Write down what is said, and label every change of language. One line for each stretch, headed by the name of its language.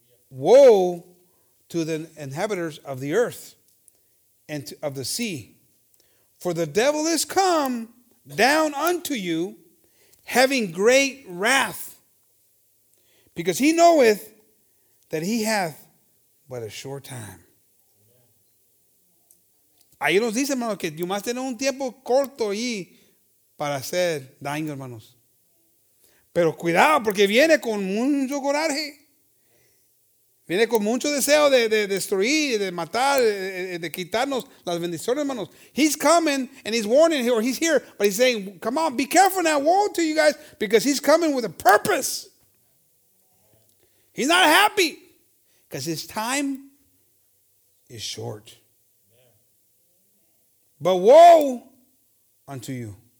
English: Woe to the inhabitants of the earth and of the sea. For the devil is come down unto you, having great wrath, because he knoweth that he hath but a short time.
Spanish: Ahí nos dice, hermanos, que nomás tenemos un tiempo corto ahí para hacer daño, hermanos. Pero cuidado, porque viene con mucho coraje. Viene con mucho deseo de destruir, de matar, de quitarnos las bendiciones, hermanos.
English: He's coming and he's warning, or he's here, but he's saying, come on, be careful now, woe to you guys, because he's coming with a purpose. He's not happy because his time is short. Amen. But woe unto you. Amen.